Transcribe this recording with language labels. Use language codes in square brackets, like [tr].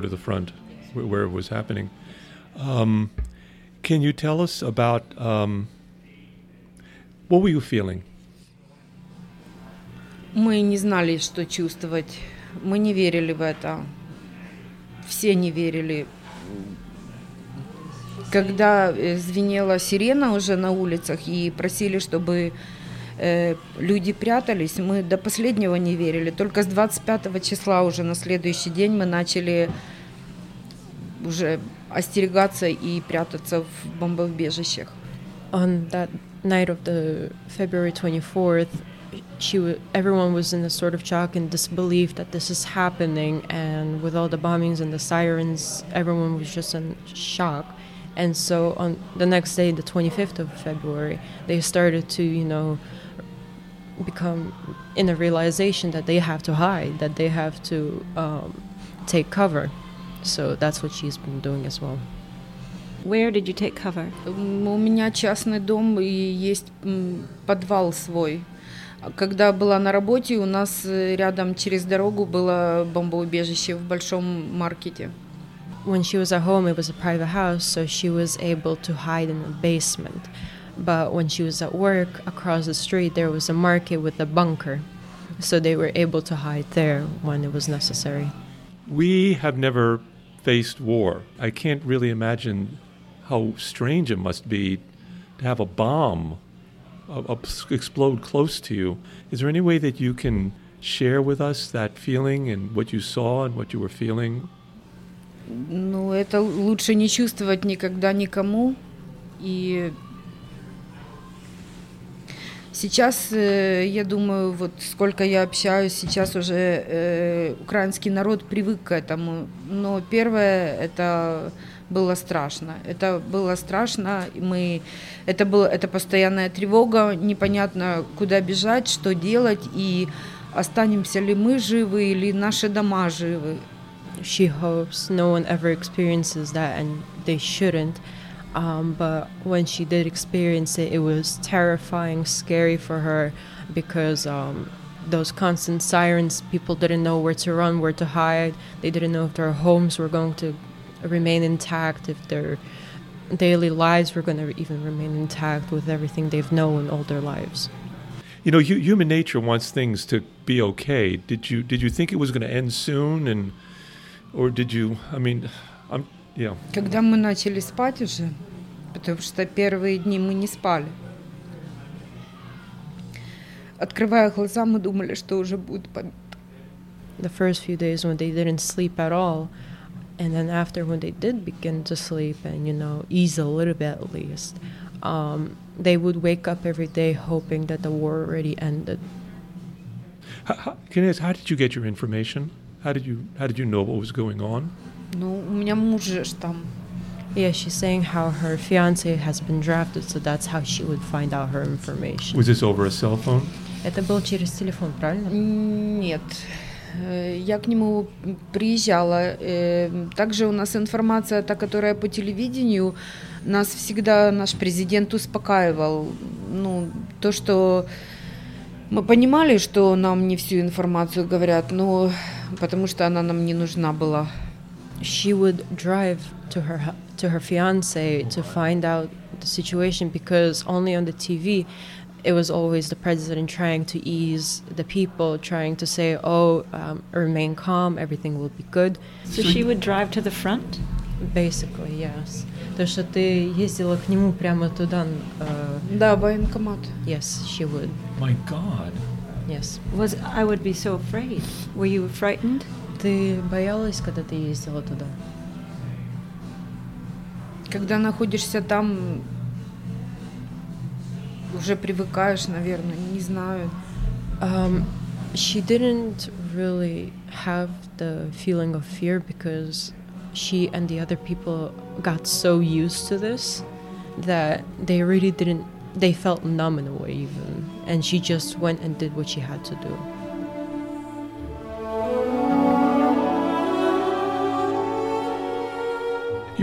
[en] to the front where it was happening. Can you tell us about what were you feeling? [ru] Мы не знали, что чувствовать. Мы не верили в это. Все не верили. Когда звенела сирена уже на улицах и просили, чтобы люди прятались, мы до последнего не верили. Только с 25 числа уже на следующий день мы начали уже остерегаться и прятаться в бомбоубежищах. [en] On that night of the February 24th, everyone was in a sort of shock and disbelief that this is happening, and with all the bombings and the sirens, everyone was just in shock. And so on the next day, the 25th of February, they started to, you know, become in a realization that they have to hide, that they have to take cover. So that's what she's been doing as well. Where did you take cover? [ru] У меня частный дом и есть подвал свой. Когда была на работе, у нас рядом через дорогу было бомбоубежище в большом маркете. [en] When she was at home, it was a private house, so she was able to hide in the basement. But when she was at work, across the street, there was a market with a bunker. So they were able to hide there when it was necessary. We have never faced war. I can't really imagine how strange it must be to have a bomb explode close to you. Is there any way that you can share with us that feeling and what you saw and what you were feeling? [ru] Ну, это лучше не чувствовать никогда никому. И сейчас, я думаю, вот сколько я общаюсь, сейчас уже украинский народ привык к этому. Но первое, это было страшно. Это было страшно. Это постоянная тревога. Непонятно, куда бежать, что делать, и останемся ли мы живы или наши дома живы. [en] She hopes no one ever experiences that, and they shouldn't. But when she did experience it, it was terrifying, scary for her, because those constant sirens, people didn't know where to run, where to hide. They didn't know if their homes were going to remain intact, if their daily lives were going to even remain intact with everything they've known all their lives. You know, human nature wants things to be okay. Did you think it was going to end soon? And Or did you, I mean, I'm, yeah. [ru] Когда мы начали спать уже, потому что первые дни мы не спали. Открывая глаза, мы думали, что уже будет победа. [en] The first few days when they didn't sleep at all, and then after when they did begin to sleep and, you know, ease a little bit at least, they would wake up every day hoping that the war already ended. Can I ask, how did you get your information? How did you know what was going on? [ru] Ну, у меня муж же там. [en] Yeah, she's saying how her fiance has been drafted, so that's how she would find out her information. Was this over a cell phone? [ru] Это было через телефон, правильно? Нет. Я к нему приезжала. Также у нас информация та, которая по телевидению. Нас всегда наш президент успокаивал. Ну, то, что мы понимали, что нам не всю информацию говорят, но потому что она нам не нужна была. [en] She would drive to her fiance to find out the situation, because only on the TV it was always the president trying to ease the people, trying to say, remain calm, everything will be good. So she would drive to the front? Basically, yes. [ru] То, что ты ездила к нему прямо туда. Да, военкомат. [en] Yes, she would. My God. Yes. I would be so afraid. Were you frightened? [ru] Ты боялась, когда ты ездила туда? Когда находишься там, уже привыкаешь, наверное, не знаю. [en] She didn't really have the feeling of fear because she and the other people got so used to this that they really didn't, they felt numb in a way even. And she just went and did what she had to do.